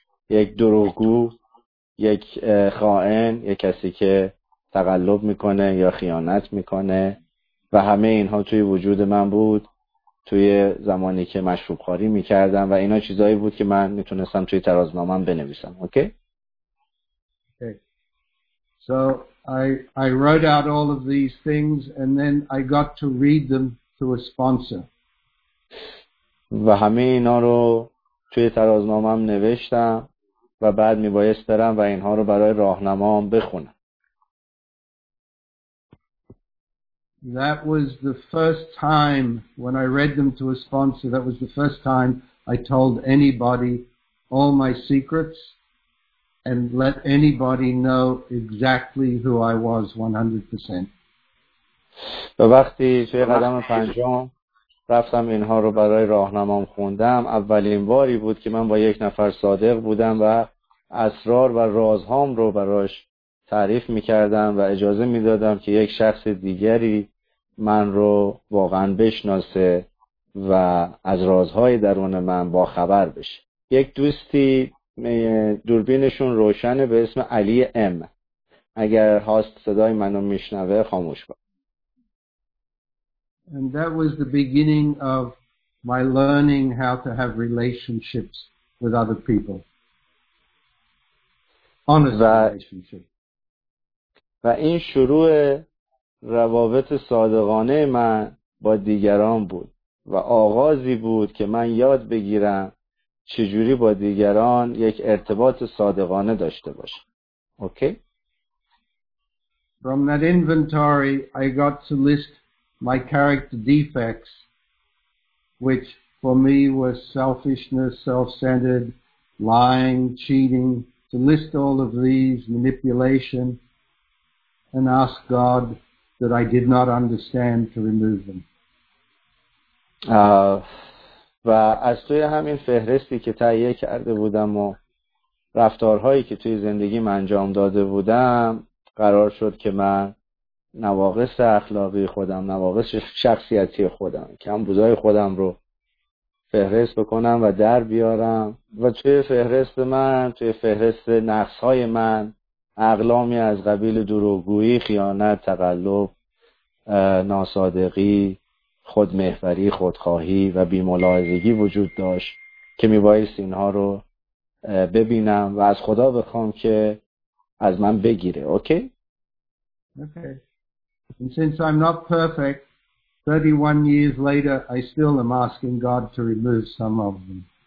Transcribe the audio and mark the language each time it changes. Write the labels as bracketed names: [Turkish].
[Persian] یک دروغگو، یک خائن، یک کسی که تقلب میکنه یا خیانت میکنه و همه اینها توی وجود من بود توی زمانی که مشروب خوری میکردم و اینا چیزایی بود که من میتونستم توی ترازنامه‌ام بنویسم. اوکی؟ Okay. [English] So I wrote out all of these things and then I got to read them to a sponsor. [Persian] و همه اینا رو توی ترازنامه‌ام نوشتم و بعد میبایست برم و اینها رو برای راهنمام بخونم. [English] That was the first time when I read them to a sponsor. That was the first time I told anybody all my secrets and let anybody know exactly who I was 100%. [Persian] و وقتی توی قدم پنجم رفتم اینها رو برای راهنمام خوندم، اولین باری بود که من با یک نفر صادق بودم و اسرار و رازهام رو براش تعریف میکردم و اجازه میدادم که یک شخص دیگری من رو واقعا بشناسه و از رازهای درون من با خبر بشه. یک دوستی دوربینشون روشنه به اسم علی ام. اگر هاست صدای منو میشنوه خاموش کن. [English] And that was the beginning of my learning how to have relationships with other people. Honest relationship. [Persian] و این شروع روابط صادقانه من با دیگران بود و آغازی بود که من یاد بگیرم چجوری با دیگران یک ارتباط صادقانه داشته باشم. اوکی؟ [English] From that inventory I got to list my character defects which for me was selfishness, self-centered, lying, cheating, to list all of these, manipulation, and ask God that I did not understand to remove them. [Persian] و از توی همین فهرستی که تهیه کرده بودم و رفتارهایی که توی زندگیم انجام داده بودم قرار شد که من نواقص اخلاقی خودم، نواقص شخصیتی خودم، کمبودهای خودم رو فهرست بکنم و در بیارم و توی فهرست من، توی فهرست نقصهای من اقلامی از قبیل دروغگویی، خیانت، تقلب، ناصادقی، خودمحوری، خودخواهی و بی‌ملاحظگی وجود داشت که میبایست اینها رو ببینم و از خدا بخوام که از من بگیره. اوکی. [English] And since I'm not perfect, 31 years later I still am asking God to remove some of them.